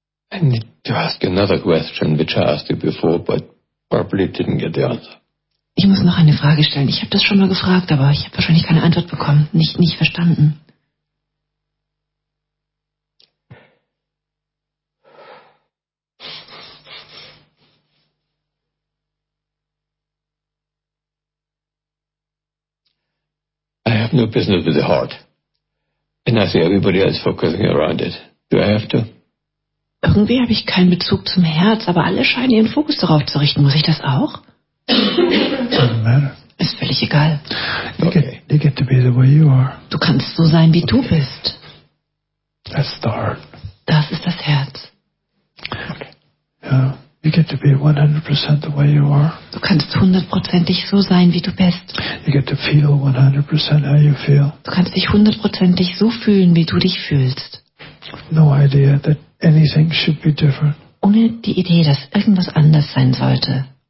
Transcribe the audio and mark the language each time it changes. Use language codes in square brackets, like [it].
[en] I need to ask another question, which I asked you before, but probably didn't get the answer. [de] Ich muss noch eine Frage stellen. Ich habe das schon mal gefragt, aber ich habe wahrscheinlich keine Antwort bekommen. Nicht verstanden. [en] I have no business with the heart. And I see everybody else focusing around it. Do I have to? [de] Irgendwie habe ich keinen Bezug zum Herz, aber alle scheinen ihren Fokus darauf zu richten. Muss ich das auch? [en] Doesn't matter. [de] Ist völlig egal. [en] They get to be the way you are. [de] Du kannst so sein, wie du bist. [en] That's the heart. [de] Das ist das Herz. [en] Yeah. You get to be 100% the way you are. [de] Du kannst hundertprozentig so sein, wie du bist. [en] You get to feel 100% how you feel. [de] Du kannst dich hundertprozentig so fühlen, wie du dich fühlst. [en] No idea that anything should be different. [de] Ohne die Idee, dass irgendwas anders sein sollte.